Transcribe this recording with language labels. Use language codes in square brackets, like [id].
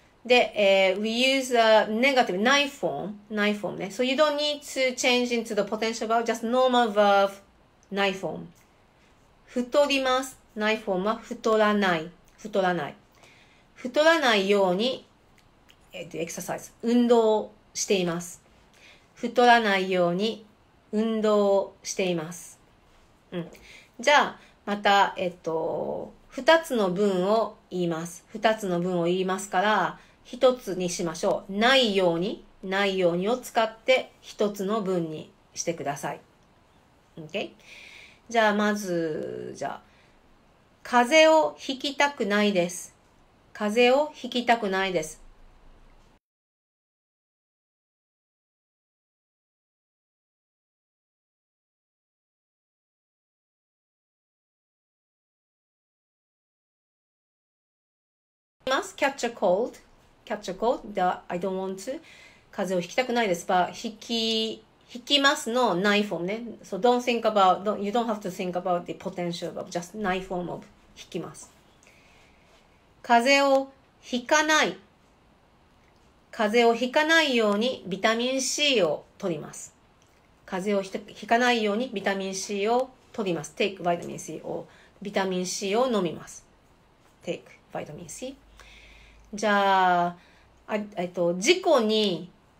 [en] で、we use a negative, nai form ね。So, you don't need to change into the potential verb, just normal verb, nai form. [ja] 太ります。nai form は太らない。太らない。太らないように、エクササイズ、運動しています。太らないように、運動しています。うん。じゃあ、また、二つの文を言います。二つの文を言いますから、一つにしましょう。ないように、ないようにを使って、一つの文にしてください。 [en] OK? [ja] じゃあ、まず、じゃあ、風邪をひきたくないです。風邪をひきたくないです。 [en] ます catch a cold, catch a cold. The, I don't want to. [ja] 風邪をひきたくないです。ば引きますのないフォームね。 [en] So don't think about, don't, you don't have to think about the potential of just ないフォーム of 引きます。 [ja] 風邪をひかない。風邪をひかないようにビタミン C を取ります。風邪をひかないようにビタミン C を取ります。 [en] take vitamin C [ja] を、ビタミン C を飲みます。 [en] take vitamin C。 [ja] じゃあ、事故に